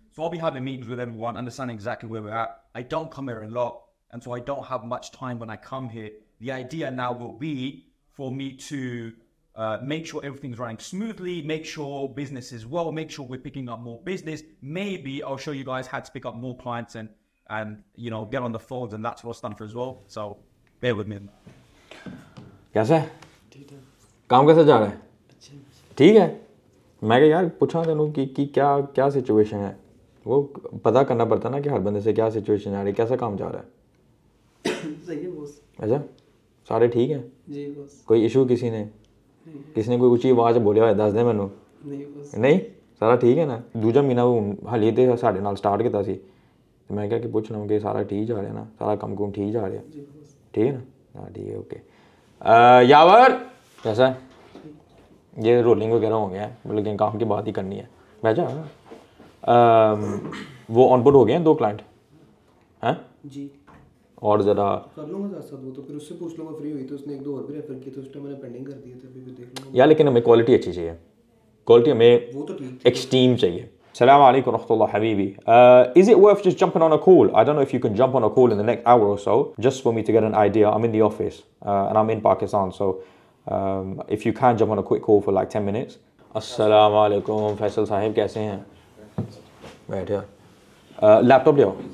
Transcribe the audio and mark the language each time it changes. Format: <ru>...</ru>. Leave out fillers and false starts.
<en>So I'll be having meetings with everyone, understanding exactly where we're at. I don't come here a lot, and so I don't have much time when I come here. The idea now will be for me to make sure everything's running smoothly, make sure business is well, make sure we're picking up more business. Maybe I'll show you guys how to pick up more clients and you know, get on the phones and that sort of stuff as well. So bear with me.</en> <hi>कैसा है काम कैसे जा रहा है ठीक है मैं क्या यार पूछा तेनू कि क्या क्या सिचुएशन है वो पता करना पड़ता ना कि हर बंदे से क्या सिचुएशन आ रही कैसा काम जा रहा है सही है बॉस अच्छा सारे ठीक हैं जी बॉस</hi> <pa>कोई इशू किसी ने किसी ने कोई ऊंची आवाज बोलिया दस दे मैनू</pa> <hi>नहीं बॉस नहीं सारा ठीक है ना दूजा महीना हाले तो साढ़े नाल स्टार्ट किया सी मैं क्या कि पूछना कि सारा ठीक जा रहा ना सारा काम कुम ठीक जा रहा है ठीक है ना हाँ ठीक है ओके यावर कैसा ये रोलिंग वगैरह हो गया है मतलब लेकिन काम की बात ही करनी है भैया वो ऑनबोर्ड हो गए हैं दो क्लाइंट हैं जी और जरा कर लूंगा साथ साथ वो तो फिर उससे पूछ लूंगा फ्री हुई तो उसने एक दो और भी रेफर किए थे उस टाइम मैंने पेंडिंग कर दिए थे अभी भी देख लूंगा यार लेकिन हमें क्वालिटी अच्छी चाहिए क्वालिटी हमें वो तो ठीक एक्सट्रीम चाहिए</hi> <ar>Assalamu alaikum rahmatullah habibi.</ar> <en>Is it worth just jumping on a call? I don't know if you can jump on a call in the next hour or so, just for me to get an idea. I'm in the office and I'm in Pakistan. So if you can jump on a quick call for like 10 minutes.</en> <ar>Assalamu alaikum</ar> <hi>Faisal sahib, kaise hain?</hi> <en>Right here.</en> <hi>Laptop leo.</hi>